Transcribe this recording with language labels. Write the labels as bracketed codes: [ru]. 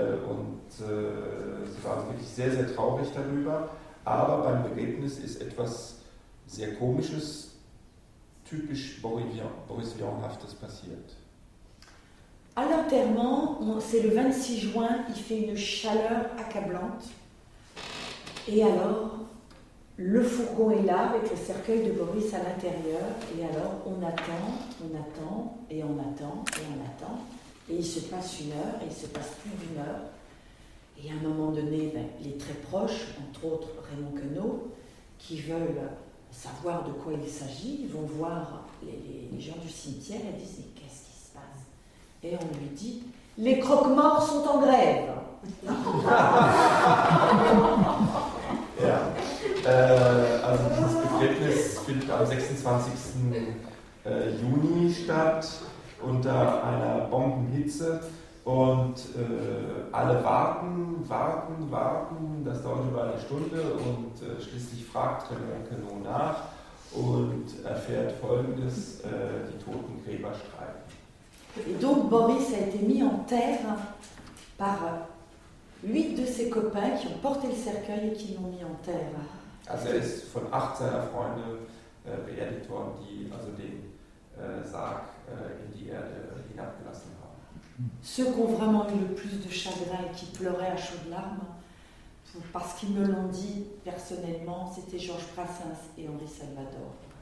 [de] Und sie waren wirklich sehr, sehr traurig darüber. Aber beim Begräbnis ist etwas sehr Komisches, typisch Boris Vianhaftes passiert. [fr] À l'enterrement, c'est le 26 juin, il fait une chaleur accablante. Et alors, Le fourgon est là avec le cercueil de Boris à l'intérieur. Et alors, on attend. Et il se passe une heure, et il se passe plus d'une heure. Et à un moment donné, ben, les très proches, entre autres Raymond Queneau, qui veulent savoir de quoi il s'agit, vont voir les gens du cimetière et disent « Qu'est-ce qui se passe ?» Et on lui dit « Les croque-morts sont en grève !» [de] Ja, also dieses Begräbnis findet am 26. Juni statt, unter einer Bombenhitze. Und alle warten, das dauert über eine Stunde. Und schließlich fragt Raymond Queneau nach und erfährt Folgendes: die toten Gräber streiten. [fr] Et donc Boris a été mis en terre par 8 de ses copains qui ont porté le cercueil et qui l'ont mis en terre. [de] Also er ist von 8 seiner Freunde beerdigt worden, die also den Sarg in die Erde hinabgelassen haben. [fr] Ceux qui ont vraiment eu le plus de chagrin et qui pleuraient à chaudes larmes, parce qu'ils me l'ont dit personnellement, c'était Georges Brassens et Henri Salvador.